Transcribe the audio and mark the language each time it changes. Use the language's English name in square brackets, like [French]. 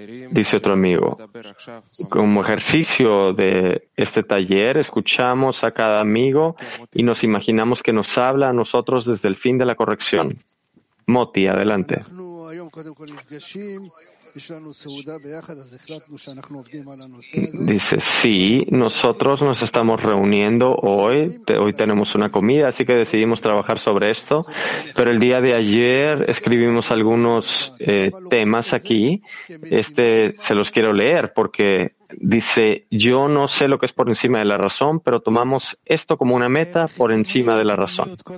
[Spanish] Dice otro amigo, como ejercicio de este taller, escuchamos a cada amigo y nos imaginamos que nos habla a nosotros desde el fin de la corrección. Moti, adelante. [Hebrew] היום קודם כל נפגשים, יש לנו סעודה ביחד, אז החלטנו שאנחנו עובדים על הנושא הזה. [Spanish] Dice, sí, nosotros nos estamos reuniendo hoy, hoy tenemos una comida, así que decidimos trabajar sobre esto, pero el día de ayer escribimos algunos temas aquí, este se los quiero leer porque... Dice, yo no sé lo que es por encima de la razón, pero tomamos esto como una meta por encima de la razón.